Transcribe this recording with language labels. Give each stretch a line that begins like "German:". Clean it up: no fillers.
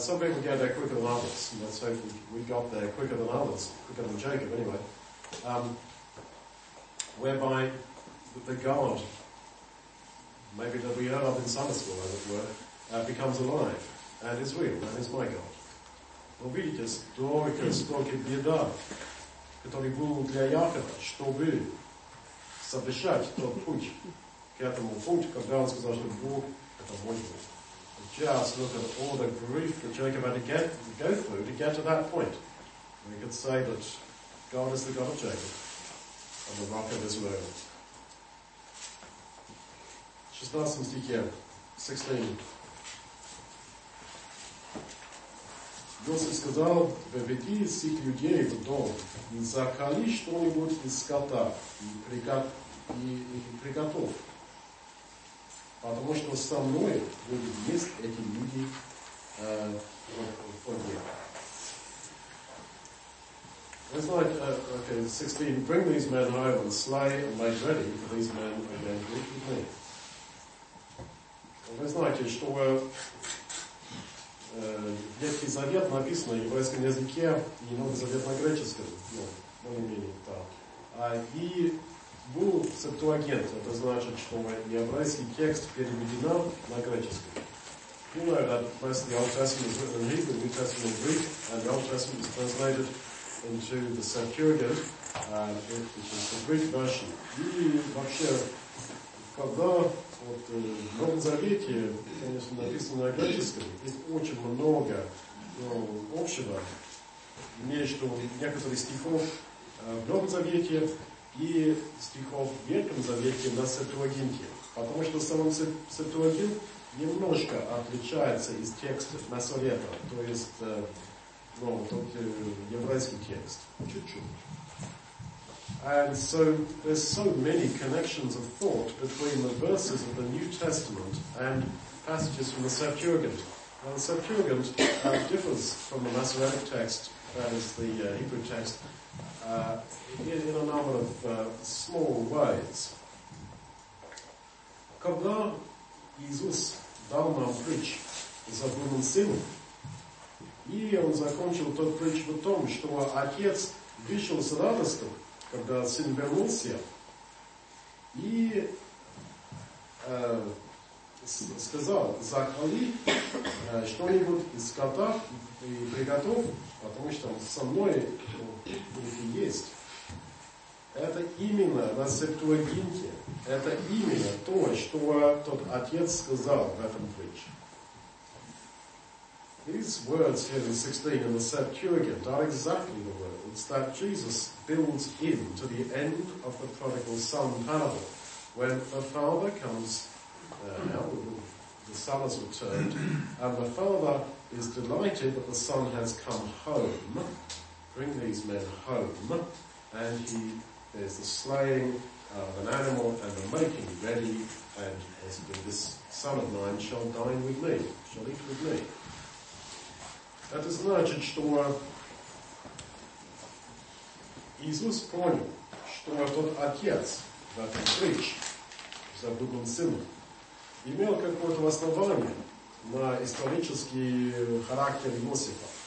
English: Some people get there quicker than others, and let's hope we got there quicker than others, quicker than Jacob anyway. Whereby the God, maybe that we heard of in Sunday school, as it were, becomes alive and is real and is my God.
Russian: Но видите, столько, столько беда, который был для Якова, чтобы совершать тот путь к этому путь, когда он сказал, что Бог – это мой Бог.
English: Just look at all the grief that Jacob had to go through to get to that point. We could say that God is the God of Jacob. And the rock of Israel.
Russian: 16 стихе. 16. Иосиф сказал, «Выведи сих людей в дом, и закали что-нибудь из скота, и приготовь. Потому что со мной будут есть эти люди в поле».
English: It's like, okay, 16, bring these men home and slay and make ready for these men and then eat with me.
Russian: Вы знаете, что в Ветхий Завет написано в еврейском языке и Новый Завет на греческом, ну, более-менее так. И был септуагент, это значит, что еврейский текст переведен на греческий.
English: You know that first the Old Testament is written in Hebrew, the New Testament in Greek, and the Old Testament is translated into the Septuagint, which is the Greek version.
Russian: И вообще, когда вот, в Новом Завете, конечно, написано на греческом, есть очень много, ну, общего между некоторых стихов в Новом Завете и стихов в Ветхом Завете на Септуагинте. Потому что сам Септуагинт немножко отличается из текста Масорета, то есть ну, тот еврейский текст, чуть-чуть.
English: And so there's so many connections of thought between the verses of the New Testament and passages from the Septuagint. Now the Septuagint differs from the Masoretic text, that is the Hebrew text, in a number of small ways.
Russian: Когда Иисус дал нам притч за блудного сына, и он закончил тот притч в том, что отец вышел с радостью, когда сын вернулся, и сказал, закали что-нибудь из скота и приготовь, потому что со мной будет и есть. Это именно на Септуагинте, это именно то, что тот отец сказал в этом притче.
English: These words here in 16 in the Septuagint are exactly the words that Jesus builds in to the end of the prodigal son parable. When the father comes, the son has returned, and the father is delighted that the son has come home, bring these men home, and there's the slaying of an animal and the making ready, and this son of mine shall dine with me, shall eat with me.
Russian: Это значит, что Иисус понял, что тот отец в этой притче, в заблудшем сыне, имел какое-то основание на исторический характер Иосифа.